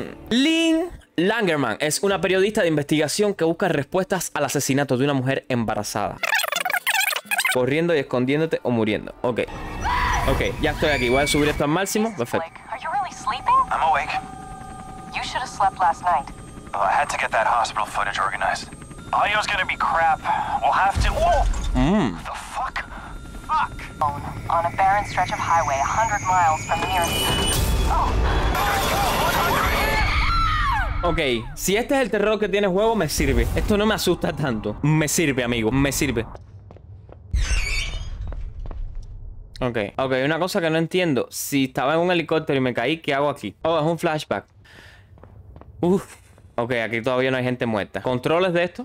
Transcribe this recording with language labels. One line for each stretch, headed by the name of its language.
Spanish: Lynn Langerman es una periodista de investigación que busca respuestas al asesinato de una mujer embarazada. Corriendo y escondiéndote o muriendo. Ok, ok, ya estoy aquí, voy a subir esto al máximo, perfecto.
English: I'm awake. You should have slept last night. Oh, I had to get that hospital footage organized. Audio's gonna be crap. We'll have to. Whoa! The fuck? Fuck! On a barren stretch of highway, 100 miles from the nearest. Oh!
Spanish: Ok, si este es el terror que tiene el juego, me sirve. Esto no me asusta tanto. Me sirve, amigo. Me sirve. Ok, ok, una cosa que no entiendo. Si estaba en un helicóptero y me caí, ¿qué hago aquí? Oh, es un flashback. Uf. Ok, aquí todavía no hay gente muerta. ¿Controles de esto?